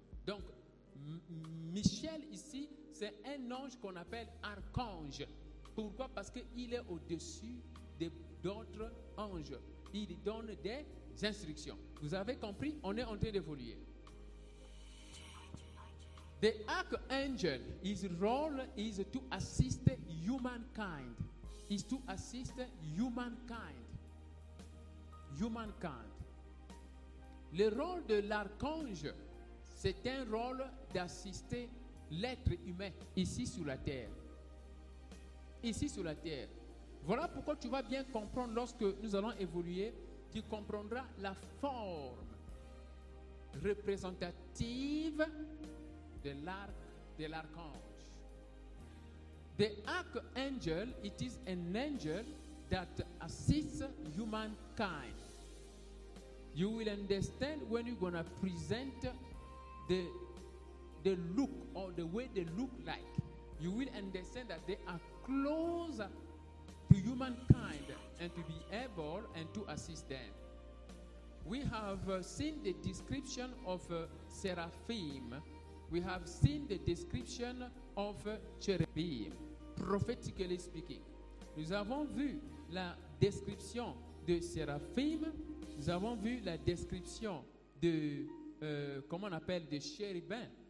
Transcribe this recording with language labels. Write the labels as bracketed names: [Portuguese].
[French] Donc, Michel ici, c'est un ange qu'on appelle archange. Pourquoi? Parce qu'il est au-dessus d'autres anges. Il donne des instructions. Vous avez compris? On est en train d'évoluer. [English] The archangel, his role is to assist humankind. Is to assist humankind. Humankind. [French] Le rôle de l'archange, c'est un rôle d'assister l'être humain ici sur la terre. Ici sur la terre. Voilà pourquoi tu vas bien comprendre lorsque nous allons évoluer, tu comprendras la forme représentative de l'arc de l'archange. [English] The archangel, it is an angel that assists humankind. You will understand when you're going to present the look or the way they look like. You will understand that they are close to humankind and to be able and to assist them. We have seen the description of seraphim. We have seen the description of cherubim, prophetically speaking. [French] Nous avons vu la description de seraphim. Nous avons vu la description de, comment on appelle, de chérubin.